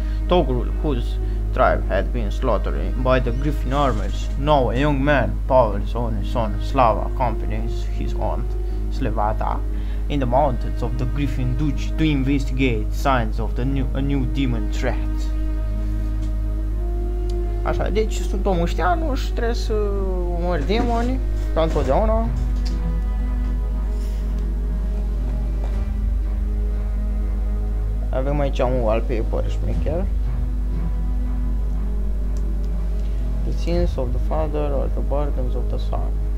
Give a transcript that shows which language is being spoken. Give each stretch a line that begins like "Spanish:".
English: Togrul, whose tribe had been slaughtered by the griffin armies, now a young man, Pavel's only son, Slava, accompanies his aunt, Slevata, in the mountains of the Griffin Duch to investigate signs of the new demon threat.
Romanian: Așa, deci sunt o mușteanu și trebuie să omori demoni, ca întotdeauna. Avem aici un wallpaper șmecher.
English: The sins of the father or the burdens of the son.